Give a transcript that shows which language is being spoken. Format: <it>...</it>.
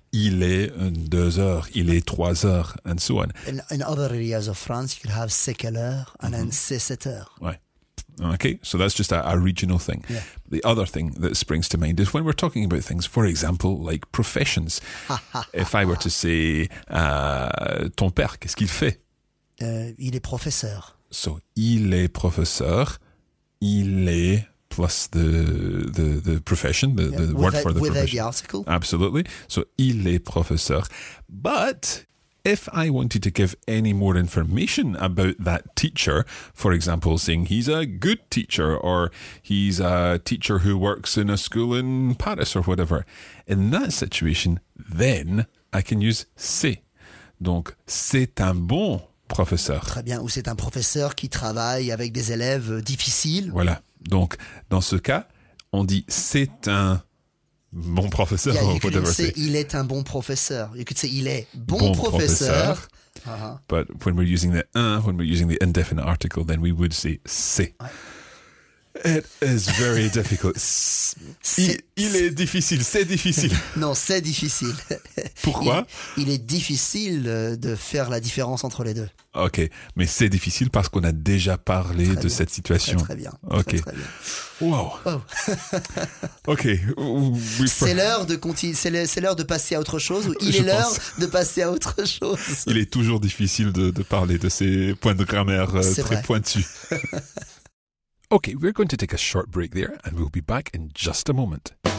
<fr>Il est deux heures, il est trois heures,</fr> <en>and so on. In other areas of France, you could have</en> <fr>c'est quelle heure,</fr> <en>and mm-hmm.</en> <fr>then c'est sept heures.</fr> <en>Right. Okay, so that's just a regional thing. Yeah. The other thing that springs to mind is when we're talking about things, for example, like professions. If I were to say,</en> <fr>ton père, qu'est-ce qu'il fait? Il est professeur.</fr> <en>So,</en> <fr>il est professeur, il est</fr> <en>plus the profession, the word for the article. Absolutely. So,</en> <fr>il est professeur.</fr> <en>But if I wanted to give any more information about that teacher, for example, saying he's a good teacher or he's a teacher who works in a school in Paris or whatever, in that situation, then I can use c'est.</en> <fr>Donc, c'est un bon professeur. Très bien. Ou c'est un professeur qui travaille avec des élèves difficiles. Voilà. Donc, dans ce cas, on dit c'est un bon professeur. Il est un bon professeur.</fr> <en>You could say</en> <fr>il est bon professeur.</fr> <en>But when we're using the un, when we're using the indefinite article, then we would say c'est. It is very difficult.</en> <fr>Il est difficile. C'est difficile. Non, c'est difficile. Pourquoi? Il est difficile de faire la différence entre les deux. Ok, mais c'est difficile parce qu'on a déjà parlé très de bien. Cette situation. Très, très bien. Ok. Très, très bien. Wow. Ok. C'est l'heure de passer à autre chose ou il est l'heure de passer à autre chose. Il est toujours difficile de parler de ces points de grammaire très vrai. Pointus.</fr> <en>Okay, we're going to take a short break there and we'll be back in just a moment.</en>